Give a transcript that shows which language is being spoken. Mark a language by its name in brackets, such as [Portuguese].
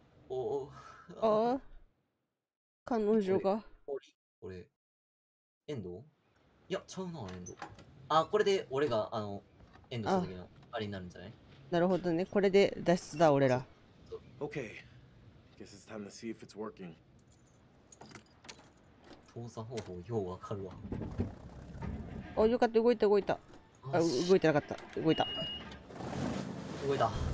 [Japanese] おお、あ、彼女が、これエンド、いや、ちゃうな、エンド、あ、これで俺があのエンドした時のあれになるんじゃない。なるほどね、これで脱出だ俺ら。 [English] OK、 Guess it's time to see if it's working。 [Japanese] 操作方法ようわかるわ。あ、よかった、動いた動いた。あ、動いてなかった。動いた動いた。